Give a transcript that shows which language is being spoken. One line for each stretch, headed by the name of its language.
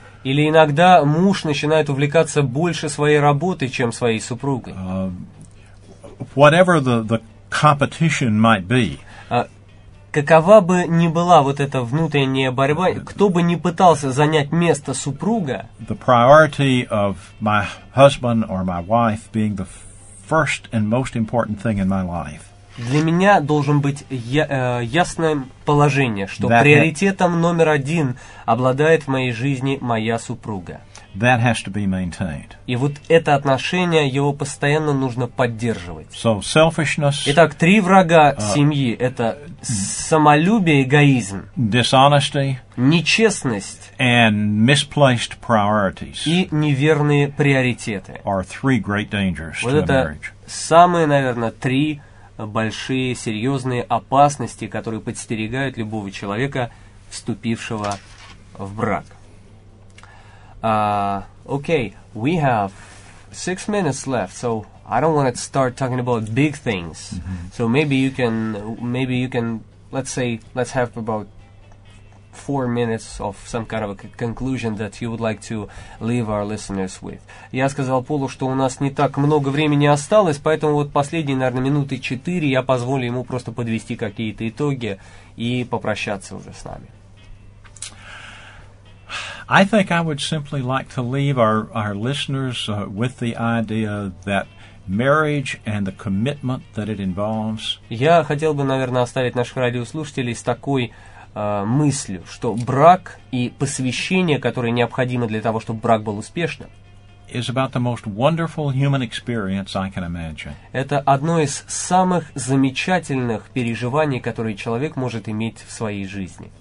Russian: Или иногда муж начинает увлекаться больше своей работой, чем своей супругой.
English: Whatever the competition might be.
Russian: Какова бы ни была вот эта внутренняя борьба, кто бы ни пытался занять место супруга,
English: the priority of my husband or my wife being the first and most important thing in my life.
Russian: Для меня должен быть ясное положение, что приоритетом номер один обладает в моей жизни моя супруга.
English: That has to be maintained.
Russian: И вот это отношение, его постоянно нужно поддерживать.
English: So selfishness.
Russian: Итак, три врага семьи – это самолюбие, эгоизм,
English: dishonesty,
Russian: нечестность
English: and misplaced priorities.
Russian: И неверные приоритеты.
English: Are three great dangers
Russian: вот
English: to
Russian: это
English: marriage.
Russian: Самые, наверное, три большие, серьезные опасности, которые подстерегают любого человека, вступившего в брак.
English: Okay, we have 6 minutes left, so I don't want to start talking about big things. Mm-hmm. So maybe you can, let's have about 4 minutes of some kind of a conclusion that you would like to leave our listeners with.
Russian: Я сказал Полу, что у нас не так много времени осталось, поэтому вот последние, наверное, минуты 4 я позволю ему просто подвести какие-то итоги и попрощаться уже с нами.
English: I think I would simply like to leave our listeners with the idea that marriage and the commitment that it involves.
Russian: Я хотел бы, наверное, оставить наших радиослушателей с такой мыслью, что брак и посвящение, которое необходимо для того, чтобы брак был успешным,
English: is about the most wonderful human experience I can imagine.
Russian: Это одно из самых замечательных переживаний, которые человек может иметь в своей жизни.